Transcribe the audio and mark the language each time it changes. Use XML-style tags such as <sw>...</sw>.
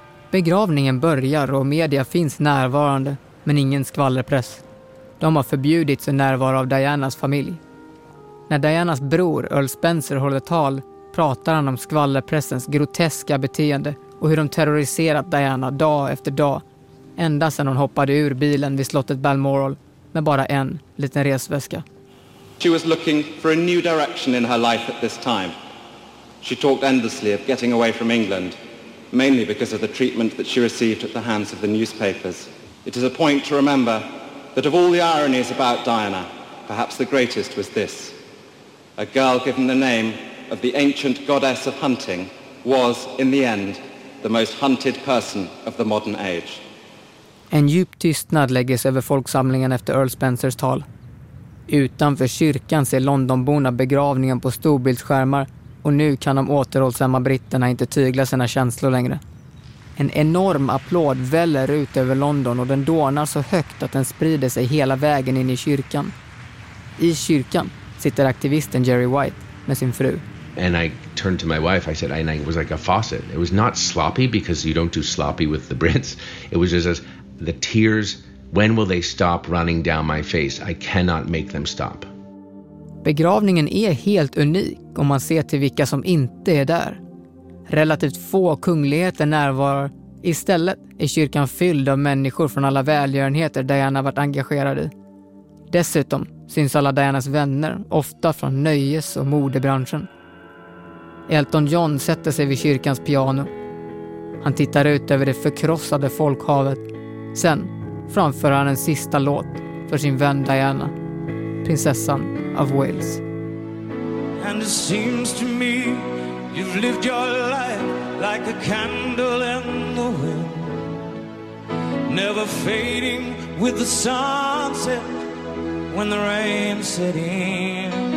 <sv>Begravningen börjar och media finns närvarande, men ingen skvallerpress. De har förbjudits att närvara av Dianas familj. När Dianas bror Earl Spencer håller tal pratar han om skvallerpressens groteska beteende och hur de terroriserat Diana dag efter dag, ända sedan hon hoppade ur bilen vid slottet Balmoral med bara en liten resväska.</sv> <en>She was looking for a new direction in her life at this time. She talked endlessly of getting away from England, mainly because of the treatment that she received at the hands of the newspapers. It is a point to remember that of all the ironies about Diana, perhaps the greatest was this. A girl given the name of the ancient goddess of hunting was, in the end, the most hunted person of the modern age.</en> <sv>En djup tystnad läggs över folksamlingen efter Earl Spencers tal. Utanför kyrkan ser Londonborna begravningen på storbildsskärmar och nu kan de återhållsamma britterna inte tygla sina känslor längre. En enorm applåd väller ut över London och den dånar så högt att den sprider sig hela vägen in i kyrkan. I kyrkan sitter aktivisten Jerry White med sin fru.</sv> <en>And I turned to my wife, I said, and it was like a faucet. It was not sloppy because you don't do sloppy with the Brits. It was just as the tears, when will they stop running down my face? I cannot make them stop.</en> <sv>Begravningen är helt unik om man ser till vilka som inte är där. Relativt få kungligheter närvarar. Istället är kyrkan fylld av människor från alla välgörenheter Diana varit engagerad i. Dessutom syns alla Dianas vänner, ofta från nöjes- och modebranschen. Elton John sätter sig vid kyrkans piano. Han tittar ut över det förkrossade folkhavet. Sen framför han en sista låt för sin vän Diana, prinsessan av Wales.</sv> <en>And it seems to me you've lived your life like a candle in the wind, never fading with the sunset when the rain set in.</en>